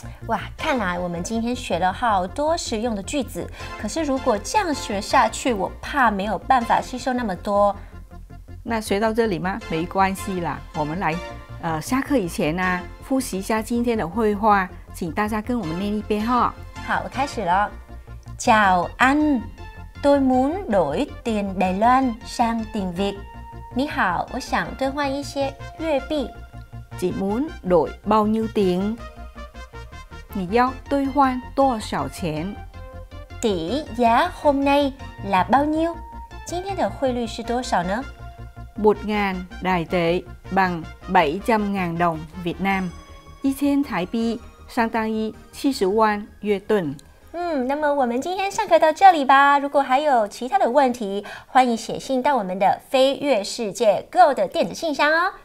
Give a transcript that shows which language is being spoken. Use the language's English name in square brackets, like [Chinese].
[Chinese] 哇，看来我们今天学了好多实用的句子，可是如果这样学下去，我怕没有办法吸收那么多。那学到这里吗？没关系啦，我们来下课以前啊，复习一下今天的会话，请大家跟我们念一遍哈。好，我开始了。 [Vietnamese] Chào anh, tôi muốn đổi tiền Đài Loan sang tiền Việt。 [Chinese] 你好，我想兑换一些月币。 [Vietnamese] Chị muốn đổi bao nhiêu tiền？ [Chinese] 你要兑换多少钱？ [Vietnamese] 底呀 hôm nay là bao nhiêu？ [Chinese] 今天的汇率是多少呢？ [Vietnamese] một ngàn đại tệ bằng bảy trăm ngàn đồng Việt Nam， [Chinese] 一千台币相当于七十万约盾。那么我们今天上课到这里吧。如果还有其他的问题，欢迎写信到我们的飞跃世界 Go 的电子信箱哦。